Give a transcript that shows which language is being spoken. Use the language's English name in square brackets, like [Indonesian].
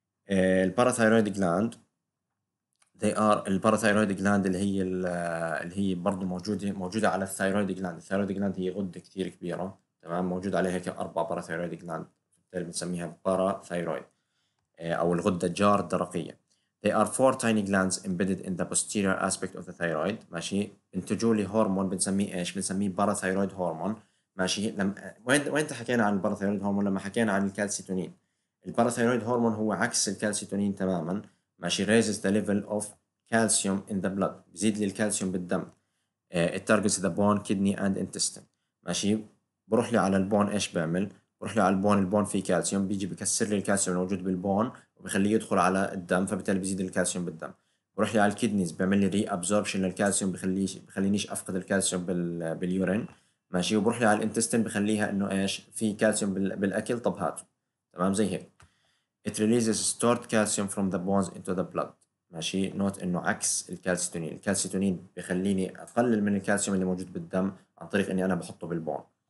[Arabic] الباراثايرويد جلاند، الباراثايرويد جلاند اللي هي برضه موجوده على الثايرويد جلاند. الثايرويد جلاند هي غده كثير كبيره، تمام، موجود عليها هيك اربع باراثايرويد جلاند، بالتالي بنسميها باراثايرويد او الغده الجار الدرقيه. [English] They are four tiny glands embedded in the posterior aspect of the thyroid [Arabic] ماشي، بنتجوا لي هرمون بنسميه ايش؟ بنسميه باراثايرويد هرمون ماشي. وين حكينا عن الباراثايرويد هرمون؟ لما حكينا عن الكالسيتونين. الباراثايرويد هرمون هو عكس الكالسيتونين تماما ماشي، [English] raises the level of calcium in the blood، [Arabic] بزيد لي الكالسيوم بالدم. [English] It targets the bone, kidney and intestine [Arabic] ماشي، بروح لي على البون ايش بعمل؟ بروح لي على البون فيه كالسيوم، بيجي بكسر لي الكالسيوم الموجود بالبون بخليه يدخل على الدم، فبالتالي بيزيد الكالسيوم بالدم. بروح لي على الكيدنيز بيعمل لي ري ابزوربشن للكالسيوم، بخلينيش افقد الكالسيوم باليورين، ماشي. وبروح لي على الانتستين بخليها انه ايش، في كالسيوم بالاكل، طب هاته، تمام. زي هيك [English] it releases stored calcium from the bones into the blood، ماشي. [Arabic] نوت انه عكس الكالسيتونين، الكالسيتونين بخليني اقلل من الكالسيوم اللي موجود بالدم عن طريق اني انا بحطه بالبون.